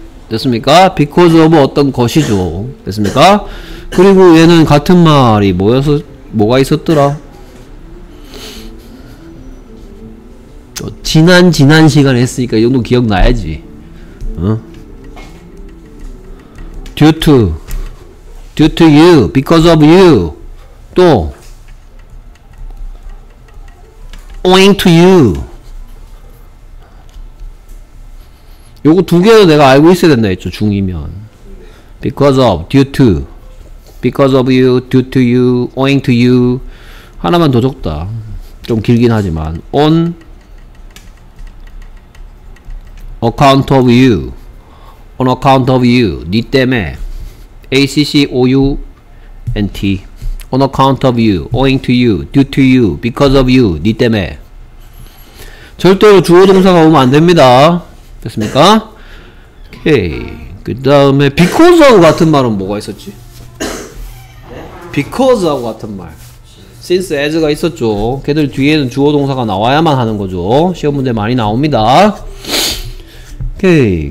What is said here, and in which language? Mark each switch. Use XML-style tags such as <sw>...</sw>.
<ko>됐습니까? Because of 어떤 것이죠. 됐습니까? 그리고 얘는 같은 말이 뭐여서 뭐가 있었더라? 지난 시간에 했으니까 이 정도 기억나야지. 응?</ko> <en>Due to you, because of you,</en> <ko>또</ko> <en>owing to you.</en> <ko>요거 두 개도 내가 알고 있어야 된다 했죠, 중이면.</ko> <en>Because of, due to. Because of you, due to you, owing to you.</en> <ko>하나만 더 적다. 좀 길긴 하지만.</ko> <en>On account of you. On account of you.</en> <ko>니 때문에.</ko> <en>A-C-C-O-U-N-T. On account of you, owing to you, due to you, because of you.</en> <ko>니 때문에. 절대로 주어동사가 오면 안 됩니다. 됐습니까? 오케이. 그 다음에 because하고 같은 말은 뭐가 있었지? because하고 같은 말 since, as가 있었죠. 걔들 뒤에는 주어 동사가 나와야만 하는 거죠. 시험 문제 많이 나옵니다. 오케이.</ko>